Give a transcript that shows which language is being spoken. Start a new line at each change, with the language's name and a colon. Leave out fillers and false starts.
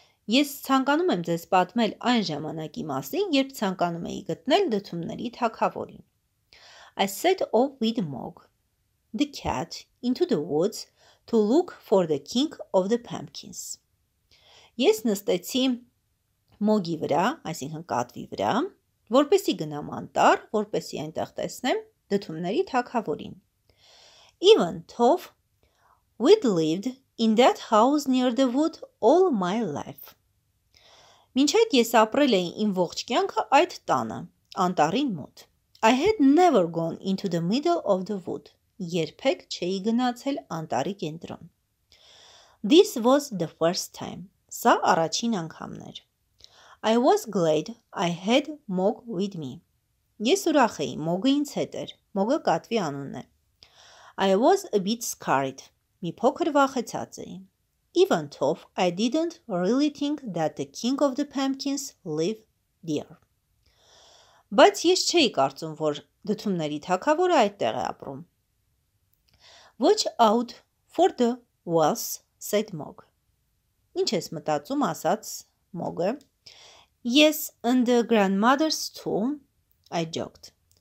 Armenian: Ես ցանկանում եմ ձեզ պատմել այն ժամանակի մասին, երբ ցանկանում էի գտնել դդումների թագավորին։
English: I set off with Mog, the cat, into the woods to look for the king of the pumpkins.
Armenian: Ես նստեցի Մոգի վրա, այսինքն կատվի վրա, որպեսի գնամ անտառ, որպեսի այնտեղ տեսնեմ դդումների թագավորին.
English: Even Tov, we'd lived in that house near the wood all my life.
Armenian: Մինչ այդ ես ապրել էի իմ ողջ կյանքը այդ տանը, անտառին մոտ.
English: I had never gone into the middle of the wood.
Armenian: Երբեք չէի գնացել անտարի կենտրոն։
English: This was the first time.
Armenian: Սա առաջին անգամն էր։
English: I was glad I had Mog with me.
Armenian: Ես ուրախ էի, Մոգը ինձ հետ էր, Մոգը կատվի անունն է։
English: I was a bit scared.
Armenian: Մի փոքր վախեցած էի։
English: Even though I didn't really think that the king of the pumpkins lived there.
Armenian: Բայց ես չէի կարծում, որ դդումների թագավորը այդտեղ է ապրում։
English: Watch out for the wolves, said Mog.
Armenian: Ինչ ես մտածում, ասաց Մոգը։
English: Yes, and the grandmother's too, I joked.